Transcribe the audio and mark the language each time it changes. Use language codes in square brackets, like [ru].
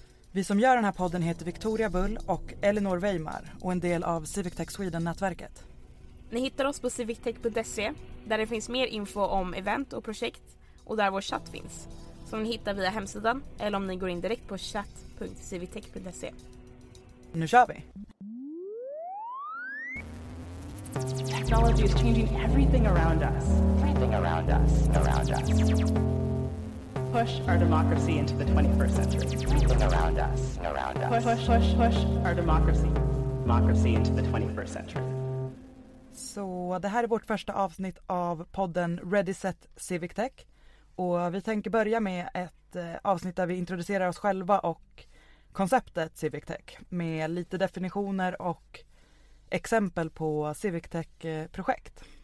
[sv] Vi som gör den här podden heter Victoria Bull och Elinor Weimar och en del av Civic Tech Sweden-nätverket. Ni hittar oss på civictech.se där det finns mer info om event och projekt och där vår chatt finns, som ni hittar via hemsidan eller om ni går in direkt på chat.civictech.se. Nu kör vi! [en] Technology is changing everything around us. Everything around us. Around us. Push our democracy into the 21st century. Everything around us. Around us. Push our democracy. Democracy into the 21st century. [sv] Så det här är vårt första avsnitt av podden Ready Set Civic Tech. Och vi tänker börja med ett avsnitt där vi introducerar oss själva och konceptet Civic Tech med lite definitioner och exempel på Civic Tech-projekt.